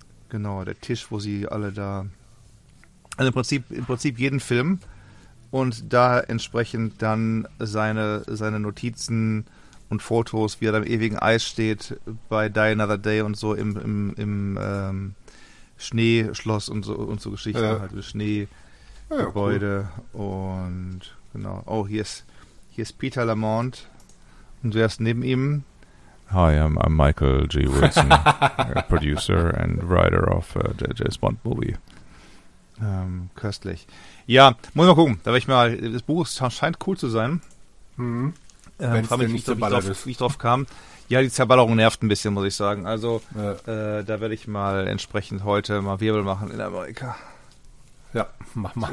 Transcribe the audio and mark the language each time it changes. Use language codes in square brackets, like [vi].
[de] Genau, der Tisch, wo sie alle da. Also im Prinzip jeden Film und da entsprechend dann seine Notizen und Fotos, wie er da im ewigen Eis steht bei Die Another Day und so im Schneeschloss und so Geschichten, ja. Halt im Schneegebäude, ja, cool. Und genau. Oh, hier ist Peter Lamont und wer ist neben ihm? [en] Hi, I'm Michael G. Wilson, producer and writer of the James Bond movie. [de] Köstlich. Ja, muss mal gucken. Da will ich mal. Das Buch scheint cool zu sein. Mhm. Frage mich nicht, wie ich drauf kam. Ja, die Zerballerung nervt ein bisschen, muss ich sagen. Also, ja. Da werde ich mal entsprechend heute mal Wirbel machen in Amerika. Ja, mach mal.